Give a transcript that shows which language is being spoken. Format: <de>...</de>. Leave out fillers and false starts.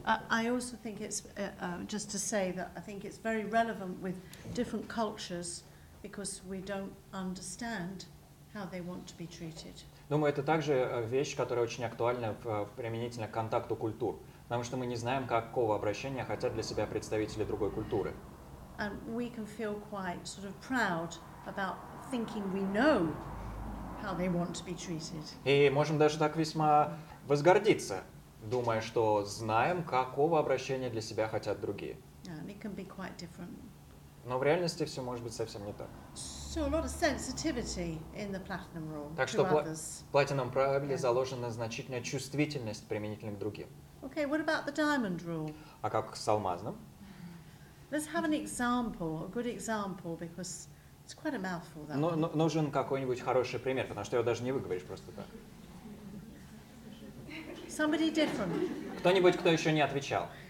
<en>I also think it's, just to say that I think it's very relevant with different cultures, because we don't understand how they want to be treated.</en> <ru>Думаю, это также вещь, которая очень актуальна применительно к контакту культур, потому что мы не знаем, какого обращения хотят для себя представители другой культуры.</ru> <en>And we can feel quite sort of proud about thinking we know how they want to be treated.</en> <ru>И можем даже так весьма возгордиться, думая, что знаем, какого обращения для себя хотят другие.</ru> <en>And it can be quite different.</en> <ru>Но в реальности все может быть совсем не так.</ru> <en>So a lot of sensitivity in the platinum rule.</en> <ru>Так что в платиновом правиле заложена значительная чувствительность применительно к другим.</ru> <en>Okay, what about the diamond rule?</en> <ru>А как с алмазным?</ru> <en>Let's have an example, a good example, because it's quite a mouthful. That</en> <ru>нужен какой-нибудь хороший пример, потому что его даже не выговоришь просто так.</ru> <en>Somebody different.</en> <ru>Кто-нибудь, кто еще не отвечал.</ru>